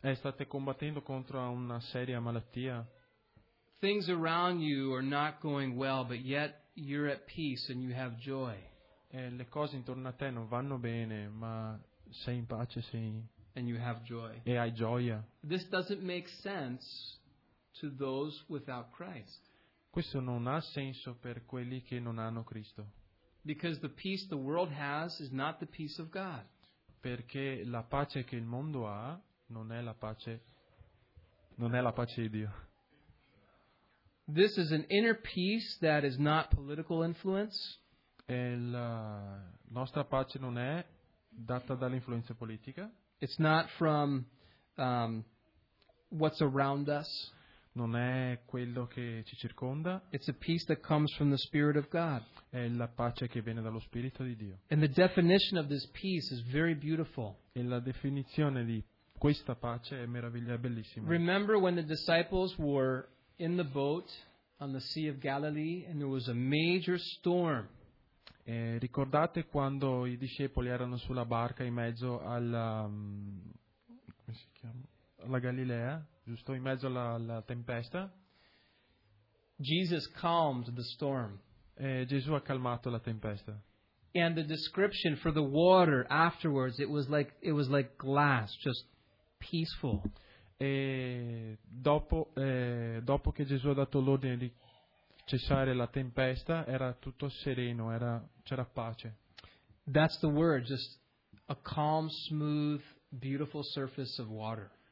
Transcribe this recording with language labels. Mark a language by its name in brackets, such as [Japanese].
[Italian] E state combattendo contro una seria malattia. [English] Things around you are not going well, but yet you're at peace and you have joy. [Italian] Le cose intorno a te non vanno bene, ma sei in pace, sei. [English] And you have joy. [Italian] E hai gioia. [English] This doesn't make sense to those without Christ. [Italian] Questo non ha senso per quelli che non hanno Cristo. [English] Because the peace the world has is not the peace of God. [Italian] Perché la pace che il mondo ha non è la pace di Dio. [English] This is an inner peace that is not political influence. [Italian] E la nostra pace non è data dall'influenza politica. [English] It's not from what's around us. [Italian] Non è quello che ci circonda. [English] It's a peace that comes from the Spirit of God. [Italian] È la pace che viene dallo Spirito di Dio. [English] And the definition of this peace is very beautiful. [Italian] E la definizione di questa pace è meravigliosa, bellissima. [English] Remember when the disciples were in the boat on the Sea of Galilee, and there was a major storm. [Italian] Ricordate quando i discepoli erano sulla barca in mezzo alla come si chiama? Alla Galilea, giusto? In mezzo alla tempesta. [English] Jesus calmed the storm. [Italian] Gesù ha calmato la tempesta. [English] And the description for the water afterwards, it was like glass, just peaceful. [Italian] E dopo che Gesù ha dato l'ordine di cessare la tempesta, era tutto sereno, c'era pace. [English] That's the word, just a calm, smooth, beautiful surface of water.